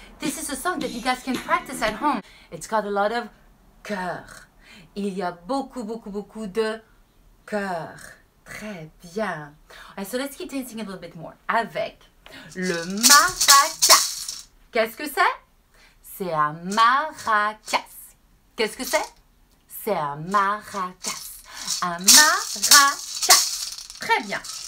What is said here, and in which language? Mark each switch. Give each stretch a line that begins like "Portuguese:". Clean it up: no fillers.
English: This is a song that you guys can practice at home. It's got a lot of cœur.
French: Il y a beaucoup, beaucoup, beaucoup de cœur. Très bien.
English: And so let's keep dancing a little bit more.
French: Avec le maracas. Qu'est-ce que c'est? C'est un maracas. Qu'est-ce que c'est? C'est un maracas. Un maracas. Très bien.